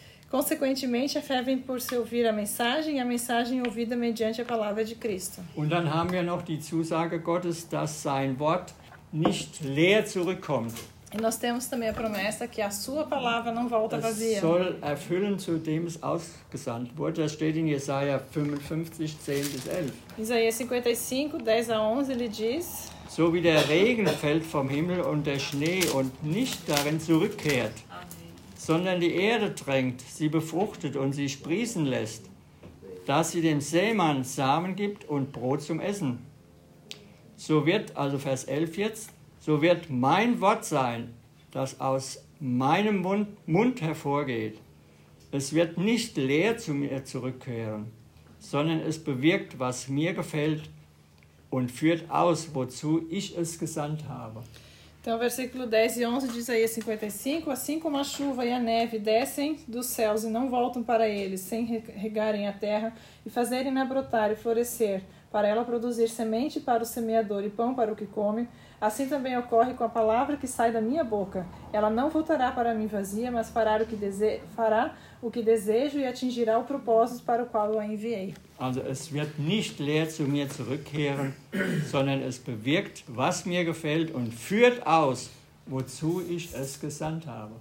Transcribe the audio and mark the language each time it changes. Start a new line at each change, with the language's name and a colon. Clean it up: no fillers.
Portuguese: Consequentemente, a fé vem por se ouvir a mensagem, e a mensagem ouvida mediante a palavra de Cristo.
German: Und dann haben wir noch die Zusage Gottes, dass sein Wort nicht leer zurückkommt.
Portuguese: E nós temos também a promessa que a sua palavra não volta vazia.
German: Das soll erfüllen, zu dem es ausgesandt wurde. Das steht in Jesaja 55, 10 bis 11.
Portuguese: Isaías 55, 10 a 11, ele diz:
German: So wie der Regen fällt vom Himmel und der Schnee und nicht darin zurückkehrt, sondern die Erde drängt, sie befruchtet und sie sprießen lässt, dass sie dem Sämann Samen gibt und Brot zum Essen. So wird, also Vers 11 jetzt, so wird mein Wort sein, das aus meinem Mund hervorgeht. Es wird nicht leer zu mir zurückkehren, sondern es bewirkt, was mir gefällt und führt aus, wozu ich es gesandt habe.
Portuguese: Então, versículo 10 e 11 de Isaías 55, assim como a chuva e a neve descem dos céus e não voltam para eles, sem regarem a terra e fazerem-na brotar e florescer, para ela produzir semente para o semeador e pão para o que come, assim também ocorre com a palavra que sai da minha boca. Ela não voltará para mim vazia, mas fará o que desejo e atingirá o propósito para o qual eu a enviei.
German: Also, es wird nicht leer zu mir zurückkehren, sondern es bewirkt, was mir gefällt und führt aus, wozu ich es gesandt habe.